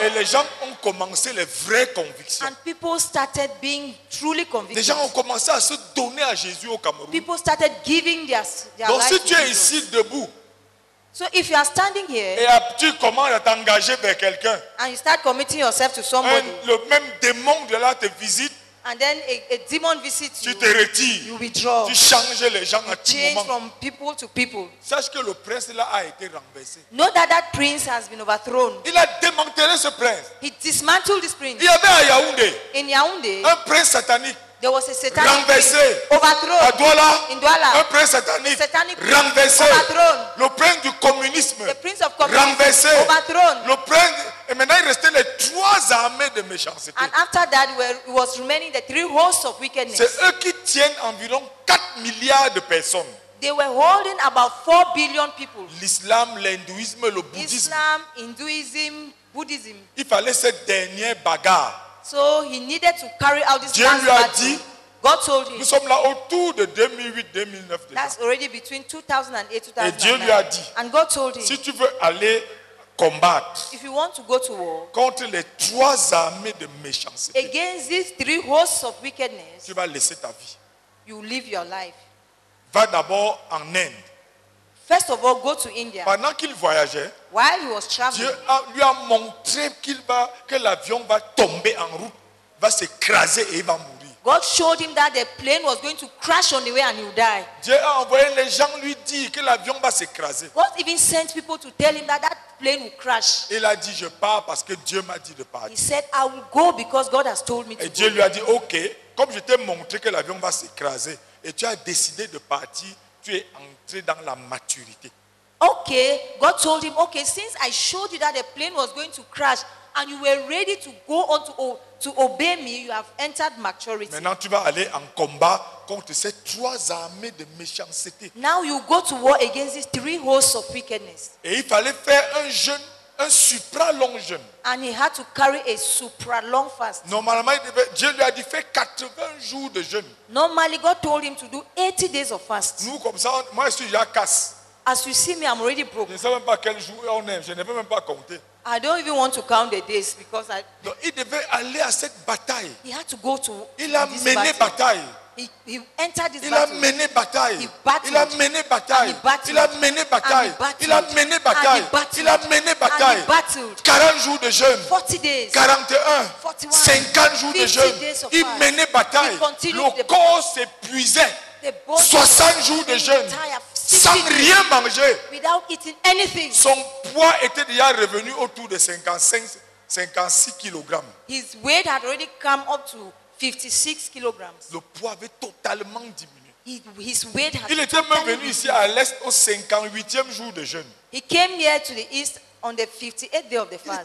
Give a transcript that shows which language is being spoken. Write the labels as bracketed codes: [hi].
[fr] Et les gens ont commencé les vraies convictions. [en] And people started being truly convicted. [fr] Les gens ont commencé à se donner à Jésus au Cameroun. [en] People started giving their [fr] donc si tu es ici debout. [en] So if you are standing here. [fr] Et tu commences à t'engager vers quelqu'un. [en] And you start committing yourself to somebody. [fr] Un, le même démon de là te visite. [en] And then a demon visits you. [fr] Tu te retires. [en] You withdraw. [fr] Tu changes les gens [en] you [fr] à tout moment. [en] Change from people to people. [fr] Sache que le prince là a été renversé. [en] Know that that prince has been overthrown. [fr] Il a démantelé ce prince. [en] He dismantled this prince. [fr] Il y avait à Yaoundé. [en] In Yaoundé. [fr] Un prince satanique. [en] There was a satanic [fr] renversé. [en] Overthrown. [fr] À Douala. [en] In Douala. [fr] Un prince satanique. [en] Satanic [fr] renversé. [en] Overthrown. [fr] Le prince du communisme. [en] The prince of communism. [fr] Renversé. [en] Overthrown. [fr] Le prince. Et maintenant il restait les trois armées de méchanceté. [en] And after that were was remaining the three hosts of wickedness. [fr] C'est eux qui tiennent environ 4 milliards de personnes. [en] They were holding about 4 billion people. [fr] L'islam, l'hindouisme, le bouddhisme. [en] Islam, Hinduism, Buddhism. [fr] Il fallait cette dernière bagarre. [en] So he needed to carry out this [fr] Dieu lui a dit, [en] God told him. [fr] Nous sommes là autour de 2008-2009. [en] That's already between 2008-2009. [fr] Et Dieu lui a dit. [en] And God told him. [fr] Si tu veux aller combat. [en] If you want to go to war, [fr] contre les trois armées de méchanceté. [en] Against these three hosts of wickedness. [fr] Tu vas laisser ta vie. [en] You live your life. [fr] Va d'abord en Inde. [en] First of all, go to India. [fr] Pendant qu'il voyageait, [en] while he was traveling, [fr] Dieu a, lui a montré qu'il va que l'avion va tomber en route, va s'écraser et il va mourir. [en] God showed him that the plane was going to crash on the way and he would die. [fr] Dieu a envoyé les gens lui dire que l'avion va s'écraser. [en] God even sent people to tell him that that plane will crash. [fr] Il a dit je pars parce que Dieu m'a dit de partir. [en] He said I will go because God has told me [fr] et [en] to. [fr] Et Dieu [en] go. [fr] Lui a dit OK, comme je t'ai montré que l'avion va s'écraser et tu as décidé de partir, tu es entré dans la maturité. [en] Okay, God told him, okay, since I showed you that the plane was going to crash and you were ready to go on to obey me, you have entered maturity. [fr] Maintenant, tu vas aller en combat contre ces trois armées de méchanceté. [en] Now you go to war against these three hosts of wickedness. [fr] Et il fallait faire un jeûne, un supra-long jeûne. [en] And he had to carry a supra-long fast. [fr] Normalement, Dieu lui a dit, fais 80 jours de jeûne. [en] Normally, God told him to do 80 days of fast. [fr] Nous, comme ça, moi, je suis déjà casse. [en] As you see me, I'm already broke. [fr] Je ne sais même pas quel jour on est. Je ne veux même pas compter. [en] I don't even want to count the days because I. [fr] Donc, il devait aller à cette bataille. [en] He had to go to. [fr] Il a mené bataille. [en] He entered this [fr] il [en] battle. [fr] A mené bataille. [en] He battled. [fr] Il a mené bataille. [en] And he battled. [fr] Il a mené bataille. [en] And he battled. [fr] Il a mené bataille. [en] And he battled. [fr] Il a mené bataille. 40 jours de jeûne. [en] 40 days. [fr] 41. [en] 41. [fr] 50 jours de jeûne. Il menait bataille. [en] He continued. [fr] Le corps s'épuisait. 60 jours de jeûne. Sans rien manger. [en] Without eating anything. [fr] Son poids était déjà revenu autour de 56 kilogrammes. [en] His weight had already come up to 56 kilograms. [fr] Le poids avait totalement diminué. [en] His weight had [fr] il était même venu ici à l'est au 58e jour de jeûne. [en] He came here to the east on the 58th day of the fast.